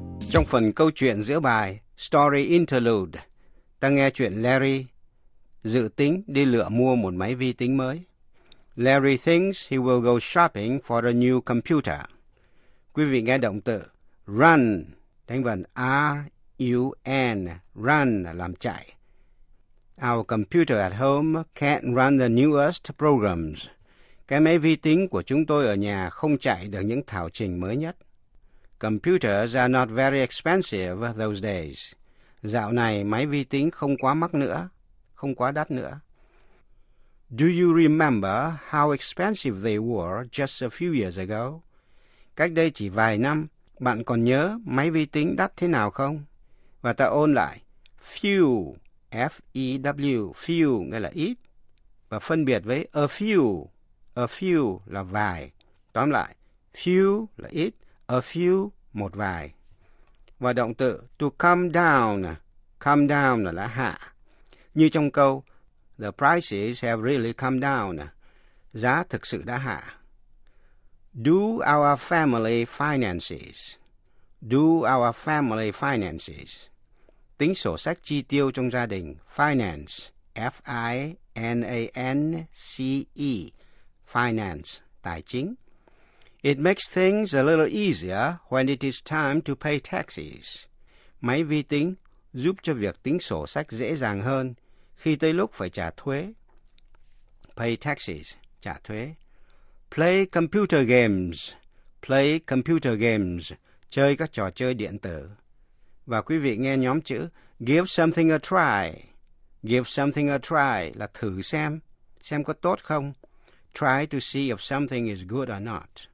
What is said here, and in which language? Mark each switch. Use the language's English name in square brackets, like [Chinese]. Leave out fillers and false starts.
[Vietnamese] Trong phần câu chuyện giữa bài Story Interlude, ta nghe chuyện Larry dự tính đi lựa mua một máy vi tính mới. [English] Larry thinks he will go shopping for a new computer. [Vietnamese] Quý vị nghe động từ run, đánh vần R-U-N, run là làm chạy. [English] Our computer at home can't run the newest programs. [Vietnamese] Cái máy vi tính của chúng tôi ở nhà không chạy được những thảo trình mới nhất. [English] Computers are not very expensive those days. [Vietnamese] Dạo này máy vi tính không quá mắc nữa, không quá đắt nữa. [English] Do you remember how expensive they were just a few years ago? [Vietnamese] Cách đây chỉ vài năm, bạn còn nhớ máy vi tính đắt thế nào không? Và ta ôn lại, few, F-E-W, few nghĩa là ít, và phân biệt với a few là vài. Tóm lại, few là ít, a few một vài. Và động từ to come down là hạ. Như trong câu, [English] the prices have really come down. [Vietnamese] Giá thực sự đã hạ. [English] Do our family finances. Do our family finances. [Vietnamese] Tính sổ sách chi tiêu trong gia đình. [English] Finance. F-I-N-A-N-C-E. Finance. [Vietnamese] Tài chính. [English] It makes things a little easier when it is time to pay taxes. [Vietnamese] Máy vi tính giúp cho việc tính sổ sách dễ dàng hơn khi tới lúc phải trả thuế. [English] Pay taxes, [Vietnamese] trả thuế. [English] Play computer games. Play computer games, [Vietnamese] chơi các trò chơi điện tử. Và quý vị nghe nhóm chữ [English] give something a try. [Vietnamese] Give something a try là thử xem có tốt không. [English] Try to see if something is good or not.